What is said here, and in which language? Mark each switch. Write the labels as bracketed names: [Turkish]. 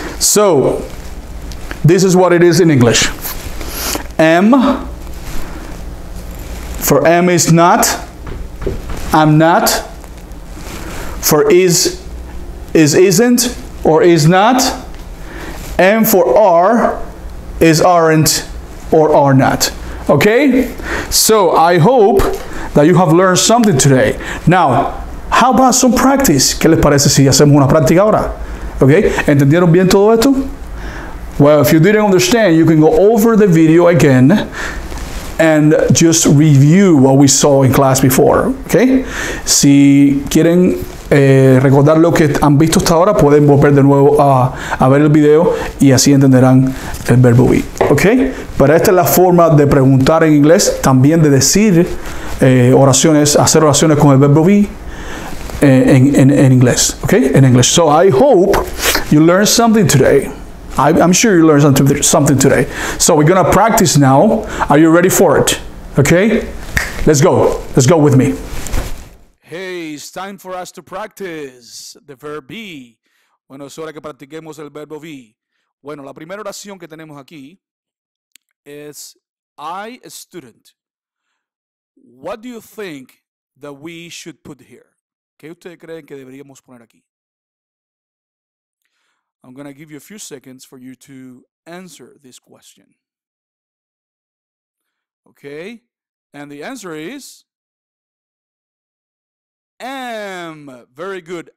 [English] So, this is what it is in English. Am, for am is not, I'm not, for is isn't, or is not, and for are is aren't, or are not. Okay? So, I hope that you have learned something today. Now, how about some practice? [Spanish] ¿Qué les parece si hacemos una práctica ahora? Okay, ¿entendieron bien todo esto? [English] Well, if you didn't understand, you can go over the video again and just review what we saw in class before. [Spanish] Okay, si quieren recordar lo que han visto hasta ahora, pueden volver de nuevo a ver el video y así entenderán el verbo be. Okay, pero esta es la forma de preguntar en inglés, también de decir oraciones, hacer oraciones con el verbo be. [English] In English, okay? In English. So I hope you learned something today. I'm sure you learned something today. So we're gonna practice now. Are you ready for it? Okay? Let's go. Let's go with me. Hey, it's time for us to practice the verb be. [Spanish] Bueno, es hora que practiquemos el verbo be. Bueno, la primera oración que tenemos aquí es [English] I, a student. What do you think that we should put here? [Spanish] ¿Qué ustedes creen que deberíamos poner aquí? [English] I'm going to give you a few seconds for you to answer this question. Okay? And the answer is am. Very good.